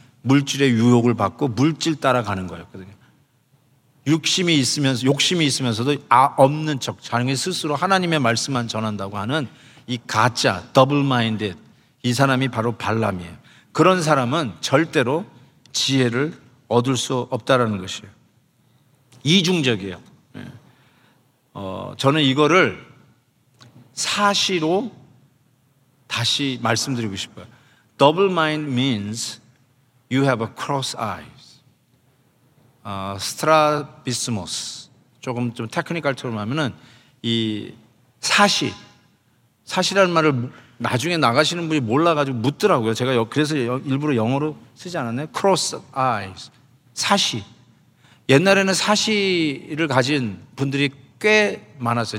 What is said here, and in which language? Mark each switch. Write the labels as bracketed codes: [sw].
[ko] 물질의 유혹을 받고 물질 따라가는 거였거든요. 욕심이 있으면서 없는 척 자기 스스로 하나님의 말씀만 전한다고 하는 이 가짜 더블 마인드 이 사람이 바로 발람이에요. 그런 사람은 절대로 지혜를 얻을 수 없다라는 것이에요. 이중적이에요. 저는 이거를 사시로 다시 말씀드리고 싶어요. [en] Double mind means you have a cross eyes. [ko] 스트라비스모스 조금 좀 테크니컬 툴로 하면은 이 사시라는 말을 나중에 나가시는 분이 몰라가지고 묻더라고요. 제가 그래서 일부러 영어로 쓰지 않았네. [en] Cross eyes [ko] 사시. 옛날에는 사시를 가진 분들이 꽤 많았어요.